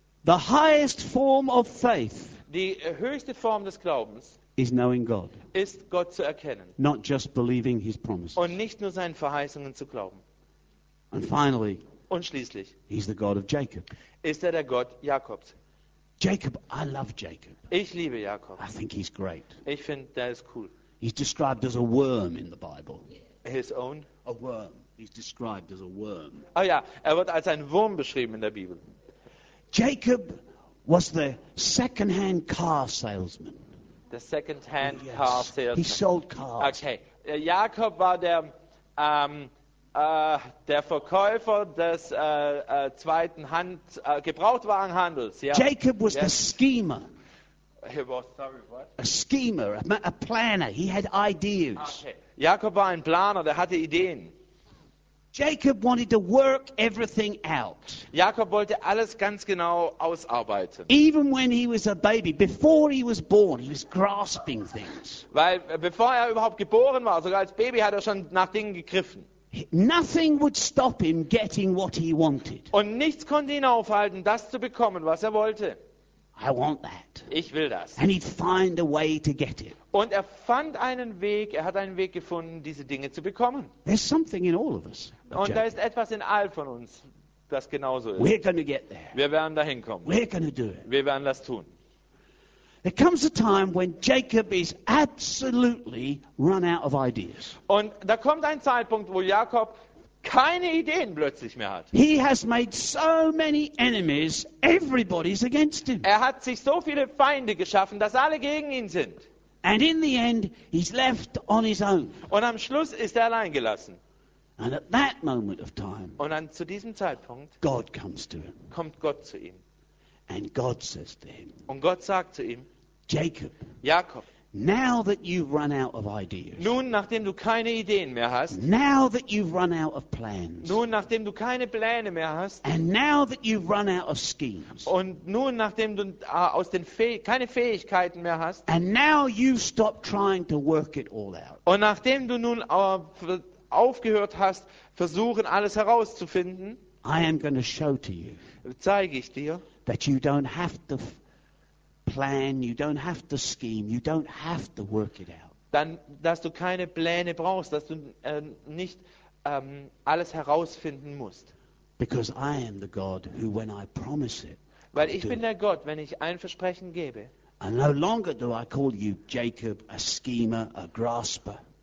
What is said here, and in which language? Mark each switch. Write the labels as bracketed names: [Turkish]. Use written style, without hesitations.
[English] The highest form of faith. [German] Die höchste Form des Glaubens [English] is knowing God. [German] Ist Gott zu erkennen. [English] Not just believing his promises. [German] Und nicht nur seinen Verheißungen zu glauben. [English] And finally, [German] und schließlich, [English] he's the God of Jacob. [German] Ist er der Gott Jakobs. [English] Jacob, I love Jacob. [German] Ich liebe Jakob. [English] I think he's great. [German] Ich finde, der ist cool. [English] He's described as a worm in the Bible. His own? A worm. He's described as a worm. [German] Oh ja, er wird als ein Wurm beschrieben in der Bibel. [English] Jacob was the second-hand car salesman. The second-hand yes. car salesman. He sold cars. Okay. [German] Jakob war der der Verkäufer des zweiten Hand Gebrauchtwagenhandels. [English] Yeah. Jacob was the schemer. He was, sorry, what? A schemer, a planner. He had ideas. Okay. [German] Jakob war ein Planer, der hatte Ideen. [English] Jacob wanted to work everything out. [German] Jakob wollte alles ganz genau ausarbeiten. [English] Even when he was a baby, before he was born, he was grasping things. [German] Weil bevor er überhaupt geboren war, sogar als Baby hat er schon nach Dingen gegriffen. [English] Nothing would stop him getting what he wanted. [German] Und nichts konnte ihn aufhalten, das zu bekommen, was er wollte. [English] I want that. [German] Ich will das. [English] And he'd find a way to get it. [German] Und er fand einen Weg, er hat einen Weg gefunden, diese Dinge zu bekommen. [English] There's something in all of us. [German] Und da ist etwas in all von uns, das genauso ist. [English] We're going to get there. [German] Wir werden dahin kommen. [English] We're going to do it. [German] Wir werden das tun. [English] There comes a time when Jacob is absolutely run out of ideas. [German] Und da kommt ein Zeitpunkt, wo Jakob keine Ideen plötzlich mehr hat. [English] He has made so many enemies, everybody's against him. [German] Er hat sich so viele Feinde geschaffen, dass alle gegen ihn sind. [English] And in the end, he's left on his own. [German] Und am Schluss ist er allein gelassen. [English] And at that moment of time, [German] und dann zu diesem Zeitpunkt, [English] God comes to him. [German] Kommt Gott zu ihm. [English] And God says to him, [German] und Gott sagt zu ihm, [English] Jakob, now that you've run out of ideas, [German] nun nachdem du keine Ideen mehr hast, [English] now that you've run out of plans, [German] nun nachdem du keine Pläne mehr hast, [English] and now that you've run out of schemes, [German] und nun nachdem du aus den keine Fähigkeiten mehr hast, [English] and now you stop trying to work it all out, [German] und nachdem du nun aufgehört hast, versuchen alles herauszufinden, [English] I am going to show to you, [German] zeige ich dir, [English] that you don't have to plan, you don't have to scheme, you don't have to work it out. [German] Dann, dass du keine Pläne brauchst, dass du nicht alles herausfinden musst. [English] Because I am the God who, when I promise it, [German] weil ich bin der Gott, wenn ich ein Versprechen gebe. [English] And no longer do I call you Jacob, a schemer, a grasper.